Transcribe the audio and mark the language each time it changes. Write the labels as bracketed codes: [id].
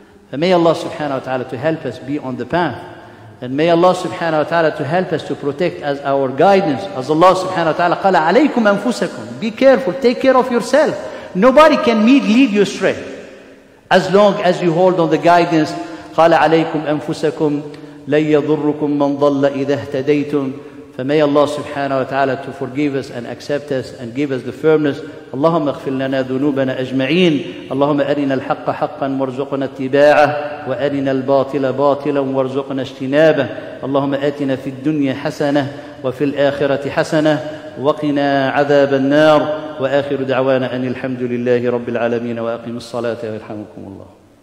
[en] And may Allah subhanahu wa ta'ala to help us be on the path. And may Allah subhanahu wa ta'ala to help us to protect as our guidance. As Allah subhanahu wa ta'ala [ar] qala alaykum anfusakum. [en] Be careful, take care of yourself. Nobody can lead you astray as long as you hold on the guidance. [ar] قال عليكم أنفسكم لن يضركم من ضل إذا اهتديتم. فمي الله سبحانه وتعالى [en] to forgive us and accept us and give us the firmness. [ar] اللهم اغفر لنا ذنوبنا أجمعين. اللهم أرنا الحق حقا وارزقنا اتباعه وأرنا الباطل باطلا وارزقنا اجتنابه. اللهم آتنا في الدنيا حسنة وفي الآخرة حسنة وقنا عذاب النار. وآخر دعوانا أن الحمد لله رب العالمين وأقم الصلاة ويرحمكم الله.